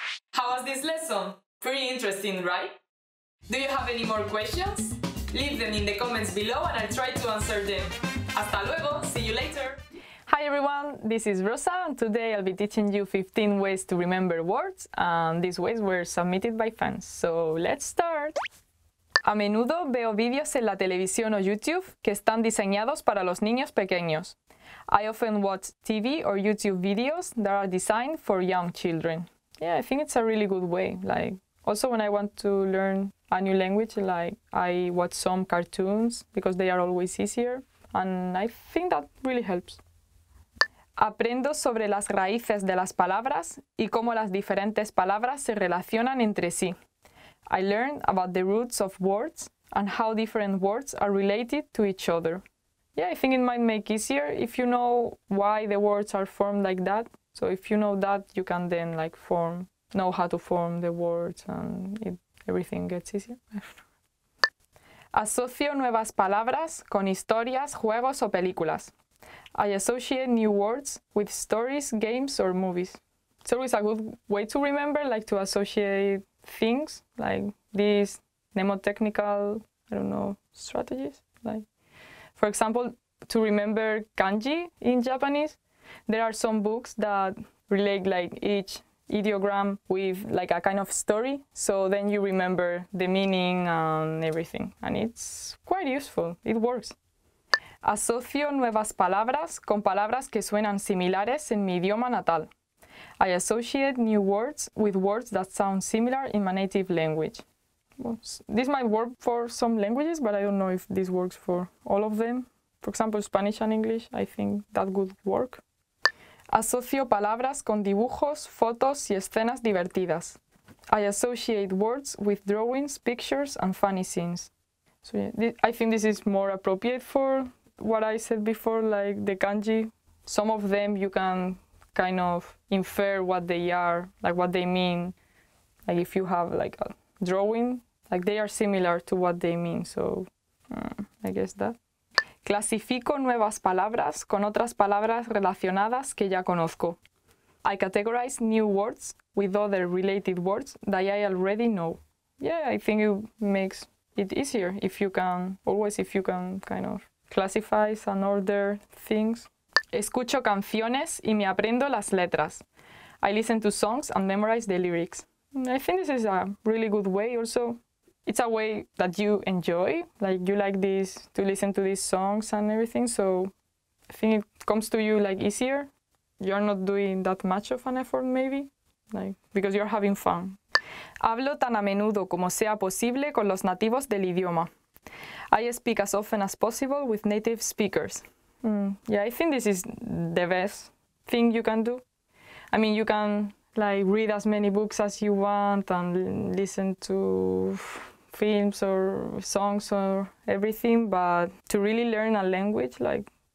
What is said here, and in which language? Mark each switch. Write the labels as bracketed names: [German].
[English] How was this lesson? Pretty interesting, right? Do you have any more questions? Leave them in the comments below and I'll try to answer them. [Spanish] Hasta luego, [English] see you later. Hi everyone, this is Rosa and today I'll be teaching you 15 ways to remember words, and these ways were submitted by fans. So let's start. [Spanish] A menudo veo vídeos en la televisión o YouTube que están diseñados para los niños pequeños. [English] I often watch TV or YouTube videos that are designed for young children. Yeah, I think it's a really good way. Like, also when I want to learn a new language, like, I watch some cartoons because they are always easier. And I think that really helps. [Spanish] Aprendo sobre las raíces de las palabras y cómo las diferentes palabras se relacionan entre sí. [English] I learned about the roots of words and how different words are related to each other. Yeah, I think it might make easier if you know why the words are formed like that. So if you know that, you can then like know how to form the words and everything gets easier. [Spanish] Asocio nuevas palabras con historias, juegos o películas. [English] I associate new words with stories, games or movies. It's always a good way to remember, like to associate things like these mnemotechnical, strategies. Like, for example, to remember kanji in Japanese, there are some books that relate like each ideogram with like a kind of story. So then you remember the meaning and everything. And it's quite useful. It works. [Spanish] Asocio nuevas palabras con palabras que suenan similares en mi idioma natal. [English] I associate new words with words that sound similar in my native language. Well, this might work for some languages, but I don't know if this works for all of them. For example, Spanish and English, I think that would work. [Spanish] Asocio palabras con dibujos, fotos y escenas divertidas. [English] I associate words with drawings, pictures, and funny scenes. So yeah, I think this is more appropriate for what I said before, like the kanji. Some of them you can kind of infer what they are, like what they mean. Like if you have like a drawing, like they are similar to what they mean. So I guess that. [Spanish] Clasifico nuevas palabras con otras palabras relacionadas que ya conozco. [English] I categorize new words with other related words that I already know. Yeah, I think it makes it easier if you can kind of classify and order things. [Spanish] Escucho canciones y me aprendo las letras. [English] I listen to songs and memorize the lyrics. I think this is a really good way also. It's a way that you enjoy, like you like this, to listen to these songs and everything. So I think it comes to you like easier. You're not doing that much of an effort maybe, like because you're having fun. [Spanish] Hablo tan a menudo como sea posible con los nativos del idioma. [English] I speak as often as possible with native speakers. Yeah, I think this is the best thing you can do. I mean, you can like read as many books as you want and listen to films or songs or everything, but to really learn a language, like